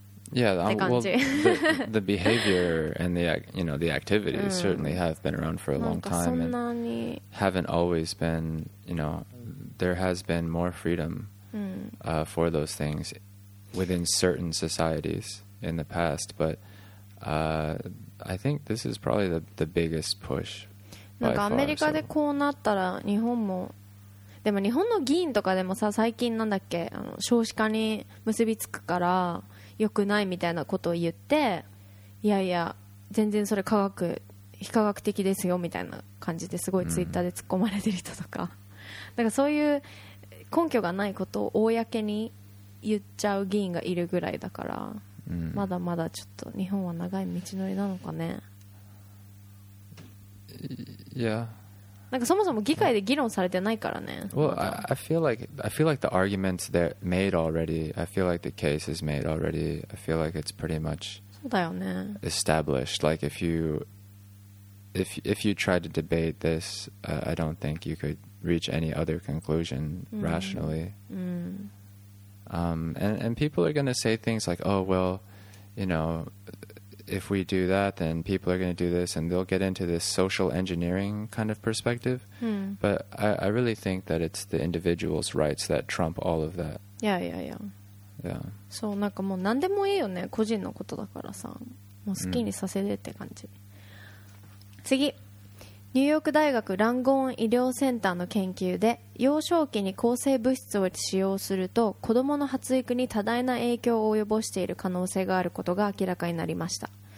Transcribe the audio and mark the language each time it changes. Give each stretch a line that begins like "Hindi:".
English: Yeah, well, the behavior and the, you know, the activities certainly have been around for a long time and haven't always been, you know, there has been more freedom for those things within certain societies in the past, butI think this is probably the biggest push.
Japanese: なんかアメリカでこうなったら日本も、でも日本の議員とかでもさ、最近なんだっけ、あの、少子化に結びつくから良くないみたいなことを言って、いやいや全然それ科学、非科学的ですよみたいな感じですごいツイッターで突っ込まれてる人とか、なんかそういう根拠がないことを公に言っちゃう議員がいるぐらいだから、まだまだちょっと日本は長い道のりなのかね。
English: Yeah.
Japanese: なんかそもそも議会で議論されてないからね。
English: Well, I feel like the arguments they're made already. I feel like the case is made already. I feel like it's pretty much established. Like if you tried to debate this, I don't think you could reach any other conclusion rationally. And people are going to say things like, oh, well, you know, if we do that, then people are going to do this, and they'll get into this social engineering kind of perspective. But I really think that it's the individual's rights that trump all of that. Yeah.
Japanese: そう、なんかもう何でもいいよね、個人のことだからさ、もう好きにさせてって感じ。次、ニューヨーク大学ランゴーン医療センターの研究で、幼少期に抗生物質を使用すると子どもの発育に多大な影響を及ぼしている可能性があることが明らかになりました。